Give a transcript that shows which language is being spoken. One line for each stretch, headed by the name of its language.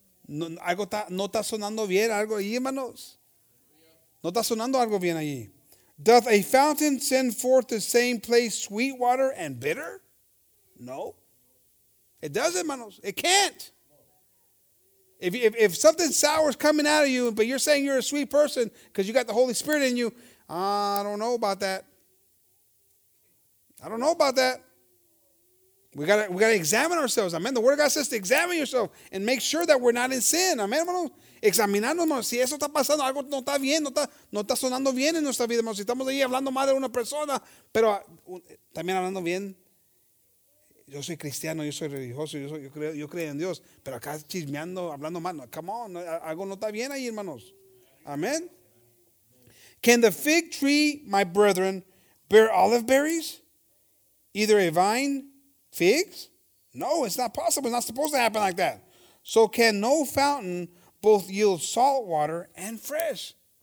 Spanish: Algo no está sonando bien, algo ahí, hermanos. No está sonando algo bien allí.
English: Doth a fountain send forth the same place sweet water and bitter? No. It doesn't, hermanos. It can't. If something sour is coming out of you, but you're saying you're a sweet person because you got the Holy Spirit in you, I don't know about that. I don't know about that. We gotta examine ourselves. Amen. The Word of God says to examine yourself and make sure that we're not in sin. Amen, hermanos.
Spanish: Examinándonos, si eso está pasando, algo no está bien, no está sonando bien en nuestra vida, hermanos. Si estamos ahí hablando mal de una persona, pero también hablando bien. Yo soy cristiano, yo soy religioso, yo creo en Dios, pero acá chismeando, hablando mal, no,
English: come on,
Spanish: no, algo no está bien ahí, hermanos.
English: Amen. Can the fig tree, my brethren, bear olive berries? Either a vine, figs? No, it's not possible. It's not supposed to happen like that. So can no fountain both yield salt water and fresh?